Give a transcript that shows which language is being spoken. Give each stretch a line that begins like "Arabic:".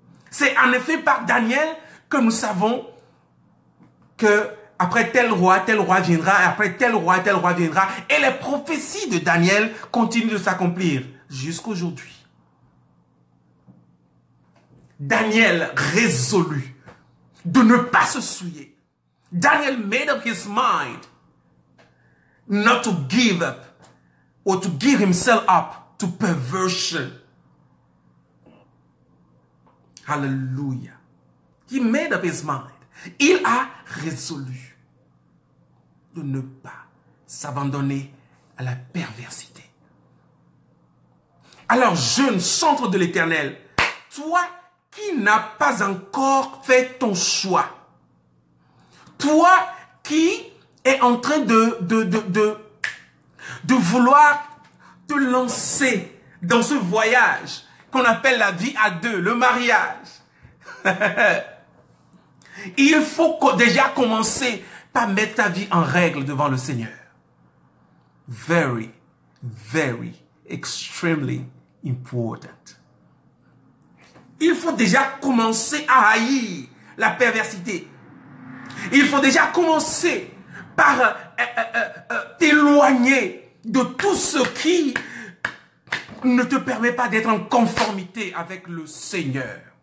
French: C'est en effet par Daniel que nous savons que après tel roi viendra, et après tel roi viendra. Et les prophéties de Daniel continuent de s'accomplir jusqu'aujourd'hui. Daniel résolu de ne pas se souiller.
English: Daniel made up his mind not to give up or to give himself up to perversion. Hallelujah. He made up his mind.
French: Il a résolu de ne pas s'abandonner à la perversité. Alors, jeune chantre de l'Éternel, toi qui n'as pas encore fait ton choix, toi qui es en train de vouloir te lancer dans ce voyage qu'on appelle la vie à deux, le mariage. Il faut déjà commencer par mettre ta vie en règle devant le Seigneur.
English: Very, very, extremely important.
French: Il faut déjà commencer à haïr la perversité. Il faut déjà commencer par t'éloigner de tout ce qui ne te permet pas d'être en conformité avec le Seigneur.